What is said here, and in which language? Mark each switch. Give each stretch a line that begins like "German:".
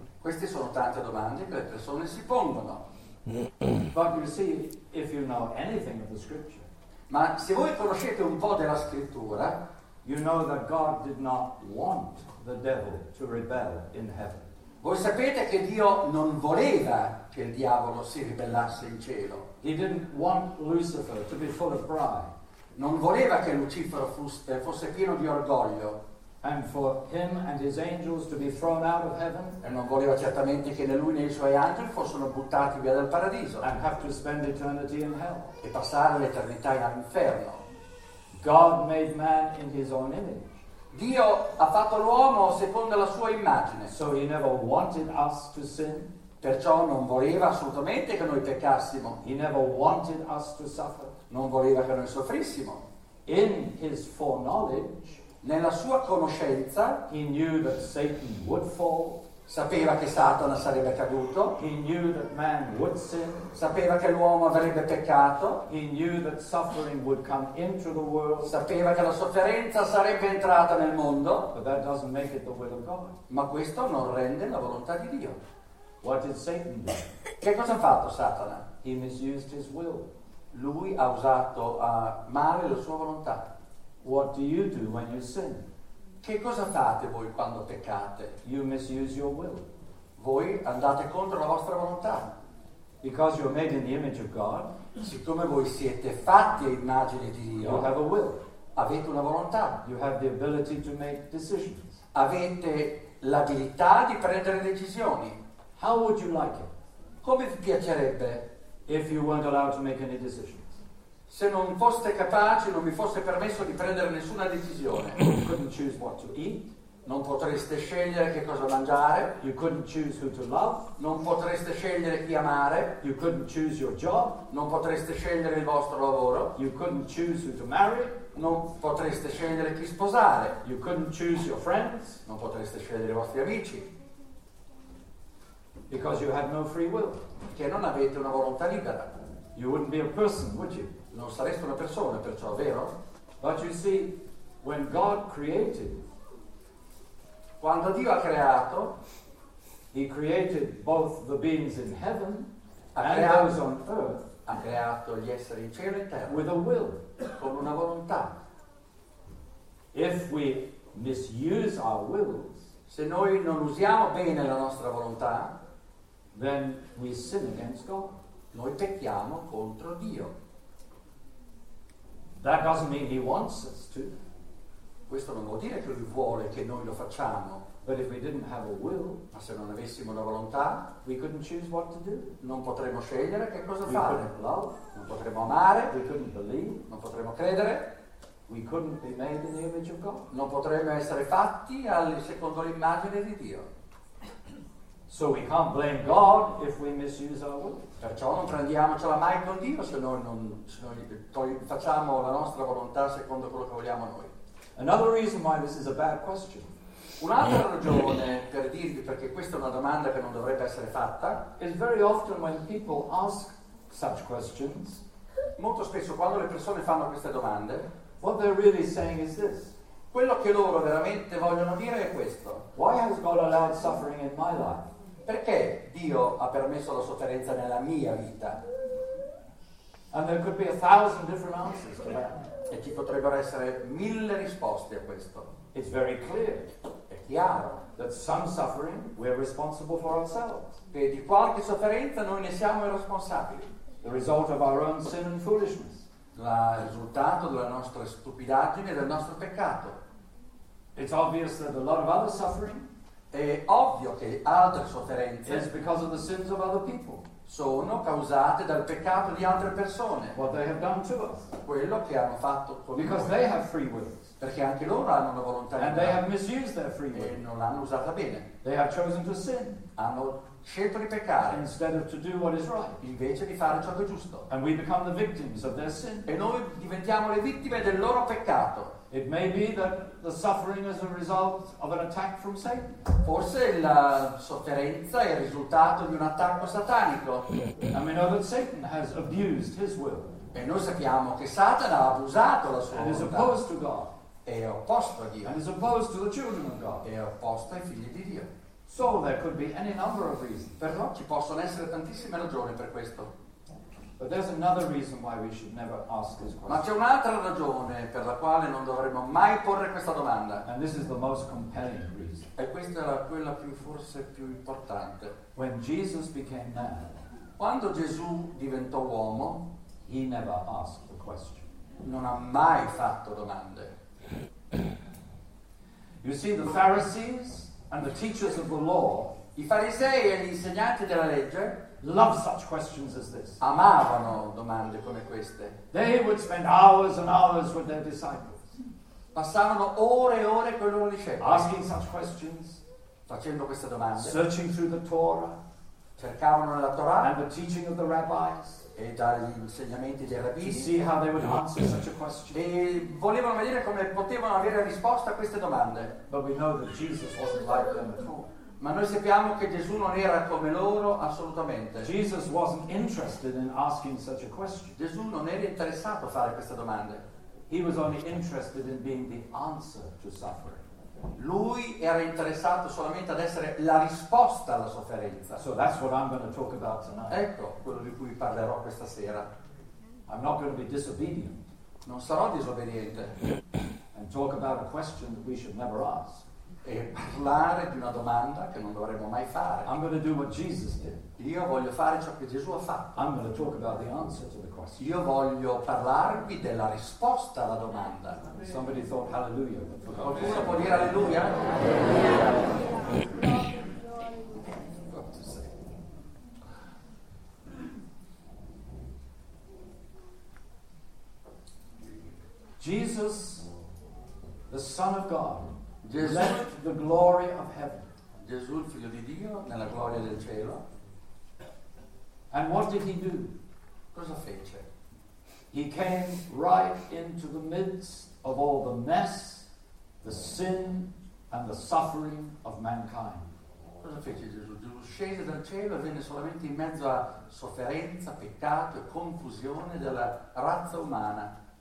Italian: Queste sono tante domande che le persone si pongono.
English: But you see, if you know anything of the scripture,
Italian: ma se voi conoscete un po' della scrittura,
English: you know that God did not want the devil to rebel in heaven.
Italian: Voi sapete che Dio non voleva che il diavolo si ribellasse in cielo.
English: He didn't want Lucifer to be full of pride.
Italian: Non voleva che Lucifero fosse pieno di orgoglio.
English: And for him and his angels to be thrown out of heaven.
Italian: E non voleva certamente che né lui né i suoi angeli fossero buttati via dal paradiso.
English: And have to spend eternity in hell.
Italian: E passare l'eternità in inferno.
English: God made man in his own image.
Italian: Dio ha fatto l'uomo secondo la sua immagine.
English: So he never wanted us to sin.
Italian: Perciò non voleva assolutamente che noi peccassimo.
English: He never wanted us to suffer.
Italian: Non voleva che noi soffrissimo.
English: In his foreknowledge,
Italian: nella sua conoscenza,
English: he knew that Satan would fall.
Italian: Sapeva che Satana sarebbe caduto.
English: He knew that man would sin.
Italian: Sapeva che l'uomo avrebbe peccato.
English: He knew that suffering would come into the world.
Italian: Sapeva che la sofferenza sarebbe entrata nel mondo.
English: But that doesn't make it the will of God.
Italian: Ma questo non rende la volontà di Dio.
English: What did Satan do?
Italian: Che cosa ha fatto Satana?
English: He misused his will.
Italian: Lui ha usato male la sua volontà.
English: What do you do when you sin?
Italian: Che cosa fate voi quando peccate?
English: You misuse your will.
Italian: Voi andate contro la vostra volontà.
English: Because you're made in the image of God.
Italian: Siccome voi siete fatti a immagine di Dio.
English: You have a will.
Italian: Avete una volontà.
English: You have the ability to make decisions.
Italian: Avete l'abilità di prendere decisioni.
English: How would you like it?
Italian: Come vi piacerebbe?
English: If you weren't allowed to make any decisions.
Italian: Se non foste capaci, non vi fosse permesso di prendere nessuna decisione.
English: You couldn't choose what to eat.
Italian: Non potreste scegliere che cosa mangiare.
English: You couldn't choose who to love.
Italian: Non potreste scegliere chi amare.
English: You couldn't choose your job.
Italian: Non potreste scegliere il vostro lavoro.
English: You couldn't choose who to marry.
Italian: Non potreste scegliere chi sposare.
English: You couldn't choose your friends.
Italian: Non potreste scegliere i vostri amici.
English: Because you had no free will.
Italian: Perché non avete una volontà libera.
English: You wouldn't be a person, would you?
Italian: Non sareste una persona, perciò, vero?
English: But you see, when God created,
Italian: quando Dio ha creato,
English: he created both the beings in heaven and those on earth,
Italian: ha creato gli esseri in cielo e terra,
English: with a will,
Italian: con una volontà.
English: If we misuse our wills,
Italian: se noi non usiamo bene la nostra volontà,
English: then we sin against God.
Italian: Noi pecchiamo contro Dio.
English: That doesn't mean he wants us to.
Italian: Questo non vuol dire che lui vuole che noi lo facciamo.
English: But if we didn't have a will,
Italian: ma se non avessimo una volontà,
English: we couldn't choose what to do.
Italian: Non potremmo scegliere che cosa
English: we
Italian: fare.
English: Couldn't love.
Italian: Non potremmo amare.
English: We couldn't believe.
Italian: Non potremmo credere.
English: We couldn't be made in the image of God.
Italian: Non potremmo essere fatti secondo l'immagine di Dio.
English: So we can't blame God if we misuse our will.
Italian: Perciò non prendiamocela mai con Dio se noi non facciamo la nostra volontà secondo quello che vogliamo noi.
English: Another reason why this is a bad question.
Italian: Un'altra ragione per dirvi perché questa è una domanda che non dovrebbe essere fatta.
English: Is very often when people ask such questions.
Italian: Molto spesso quando le persone fanno queste domande,
English: what they're really saying is this.
Italian: Quello che loro veramente vogliono dire è questo.
English: Why has God allowed suffering in my life?
Italian: Perché Dio ha permesso la sofferenza nella mia vita?
English: And there could be a thousand different answers to that.
Italian: E ci potrebbero essere mille risposte a questo.
English: It's very clear.
Italian: È chiaro.
English: That some suffering we're responsible for ourselves.
Italian: Che di qualche sofferenza noi ne siamo i responsabili.
English: The result of our own sin and foolishness.
Italian: Il risultato della nostra stupidaggine e del nostro peccato.
English: It's obvious that a lot of other suffering.
Italian: È ovvio che altre sofferenze.
English: Is because of the sins of other people.
Italian: Sono causate dal peccato di altre persone.
English: What they have done to us.
Italian: Quello che hanno fatto con
English: because Because they have free will.
Italian: Perché anche loro hanno una volontà
English: and they have misused their free will.
Italian: E non l'hanno usata bene.
English: They have chosen to sin.
Italian: Hanno scelto di peccare.
English: Instead of to do what is right.
Italian: Invece di fare ciò che è giusto.
English: And we become the victims of their sin.
Italian: E noi diventiamo le vittime del loro peccato.
English: It may be that the suffering is a result of an attack from Satan.
Italian: Forse la sofferenza è il risultato di un attacco satanico.
English: And we know that Satan has abused his will.
Italian: E noi sappiamo che Satana ha abusato la sua
English: and Is opposed to God.
Italian: È opposto a Dio.
English: And is opposed to the children of God.
Italian: È opposto ai figli di Dio.
English: So there could be any number of reasons.
Italian: Però ci possono essere tantissime ragioni per questo.
English: But there's another reason why we should never ask this question.
Italian: Ma c'è un'altra ragione per la quale non dovremmo mai porre questa domanda.
English: And this is the most compelling reason.
Italian: E questa è quella più forse più importante.
English: When Jesus became man.
Italian: Quando Gesù diventò uomo.
English: He never asked a question.
Italian: Non ha mai fatto domande.
English: You see, the Pharisees and the teachers of the law,
Italian: i farisei e gli insegnanti della legge,
English: love such questions as this.
Italian: Amavano domande come queste.
English: They would spend hours and hours with their disciples.
Italian: Passavano ore e ore con i loro discepoli.
English: Asking such questions,
Italian: facendo queste domande.
English: Searching through the Torah,
Italian: cercavano la Torah.
English: And the teaching of the rabbis.
Italian: E dagli insegnamenti dei rabbini.
English: See how they would answer such a question.
Italian: E volevano vedere come potevano avere risposta a queste domande.
English: But we know that Jesus wasn't like them at all.
Italian: Ma noi sappiamo che Gesù non era come loro assolutamente.
English: Jesus wasn't interested in asking such a question.
Italian: Gesù non era interessato a fare queste domande.
English: He was only interested in being the answer to suffering.
Italian: Lui era interessato solamente ad essere la risposta alla sofferenza.
English: So that's what I'm going to talk about tonight.
Italian: Ecco quello di cui parlerò questa sera.
English: I'm not going to be disobedient.
Italian: Non sarò disobbediente.
English: And talk about a question that we should never ask.
Italian: E parlare di una domanda che non dovremmo mai fare.
English: I'm going to do what Jesus did.
Italian: Io voglio fare ciò che Gesù ha fatto.
English: I'm going to talk about the answer to the question.
Italian: Io voglio parlarvi della risposta alla domanda.
English: Somebody thought hallelujah.
Italian: Qualcuno può dire alleluia?
English: Jesus, the Son of God. Jesus left the glory of heaven.
Italian: Gesù, figlio di Dio, nella gloria del cielo.
English: And what did he do?
Italian: Cosa fece?
English: He came right into the midst of all the mess, the sin, and the suffering of mankind.
Italian: Cosa fece Gesù? Gesù scese dal cielo e venne solamente in mezzo a sofferenza, peccato e confusione della razza umana.